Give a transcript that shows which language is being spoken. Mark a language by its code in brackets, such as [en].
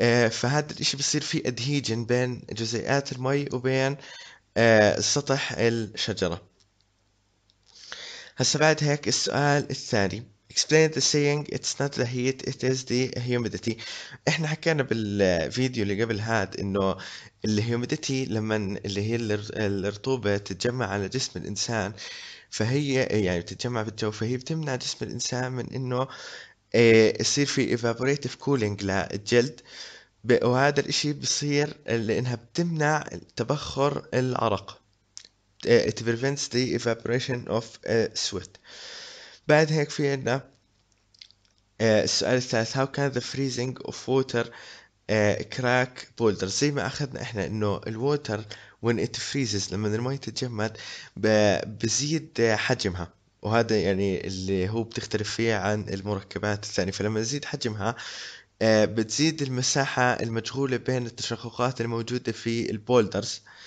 [ar] فهذا الاشي بصير فيه adhesion بين جزيئات المي وبين سطح الشجرة. هسا بعد هيك السؤال الثاني [en] explain the saying it's not the heat it is the humidity. [ar] احنا حكينا بالفيديو اللي قبل هاد انه الهيوميديتي لما اللي هي الرطوبة تتجمع على جسم الانسان، فهي يعني بتتجمع بالجو، فهي بتمنع جسم الانسان من انه يصير في evaporative cooling للجلد، وهذا الاشي بصير لانها بتمنع تبخر العرق، [en] it prevents the evaporation of sweat. [ar] بعد هيك في عندنا السؤال الثالث [en] how can the freezing of water crack boulders. [ar] زي ما اخذنا احنا انه الووتر [en] when it freezes [ar] لما المي تتجمد بزيد حجمها، وهذا يعني اللي هو بتختلف فيه عن المركبات الثانية. فلما تزيد حجمها بتزيد المساحة المشغولة بين التشققات الموجودة في البولدرز.